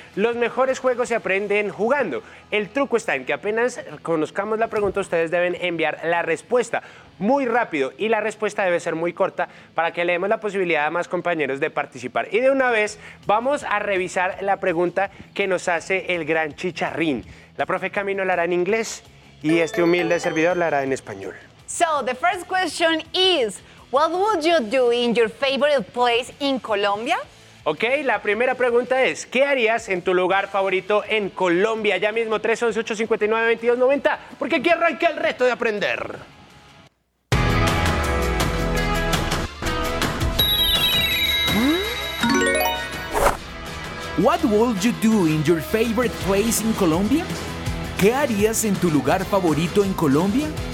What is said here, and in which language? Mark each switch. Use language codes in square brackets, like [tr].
[es] Los mejores juegos se aprenden jugando. El truco está en que apenas conozcamos la pregunta, ustedes deben enviar la respuesta muy rápido y la respuesta debe ser muy corta para que le demos la posibilidad a más compañeros de participar. Y de una vez, vamos a revisar la pregunta que nos hace el gran Chicharrín. La profe Camino la hará en inglés y este humilde servidor la hará en español. [en] So, the first question is... what would you do in your favorite place in Colombia? [es] Ok, la primera pregunta es, ¿qué harías en tu lugar favorito en Colombia? Ya mismo, 311-859-2290, porque aquí arranca el reto de aprender. [en] What would you do in your favorite place in Colombia? [es] ¿Qué harías en tu lugar favorito en Colombia?